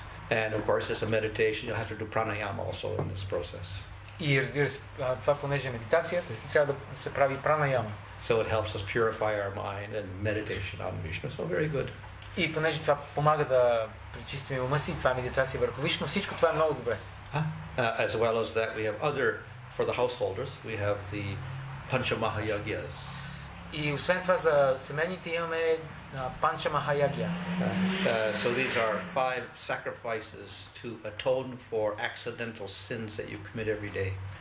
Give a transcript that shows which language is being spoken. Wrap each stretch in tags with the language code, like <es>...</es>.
<en>And of course, it's a meditation. You have to do pranayama also in this process.</en> <bg>И разбира се, това понеже е медитация, трябва да се прави пранаяма.</bg> <en>So it helps us purify our mind and meditation on Vishnu. So very good.</en> <bg>И понеже това помага да пречистим ума си, това медитация върху Вишну, всичко това е много добре.</bg> <en>As well as that, we have other, for the householders, we have the Panchamahayagyas.</en> <bg>И освен това за семейните имаме Panchamahayagya.</bg> <en>So these are five sacrifices to atone for accidental sins that you commit every day.</en>